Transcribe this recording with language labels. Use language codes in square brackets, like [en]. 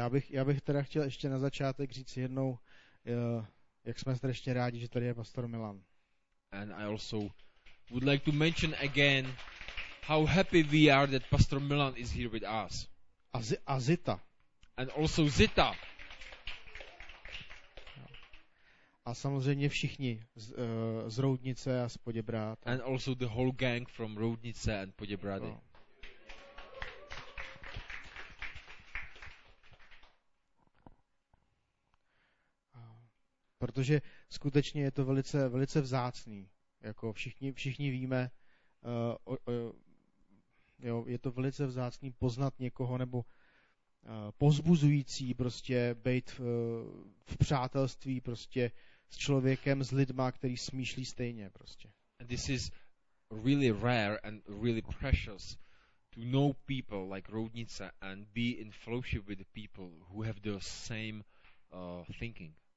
[cs] Já bych teda chtěl ještě na začátek říct jednou, jak jsme strašně rádi, že tady je pastor Milan. [en] And I also would like to mention again how happy we are that Pastor Milan is here with us. [cs] A Zita. [en] And also Zita. [cs] A samozřejmě všichni z Roudnice a z Poděbrad. [en] And also the whole gang from Roudnice and Poděbrady. No. [cs] Protože skutečně je to velice, velice vzácný. Jako všichni víme, jo, je to velice vzácný poznat někoho, nebo pozbuzující prostě být v přátelství prostě s člověkem, s lidma, který smýšlí stejně prostě. [en] And this is really rare and really precious to know people like Roudnice and be in fellowship with people who have the same thinking.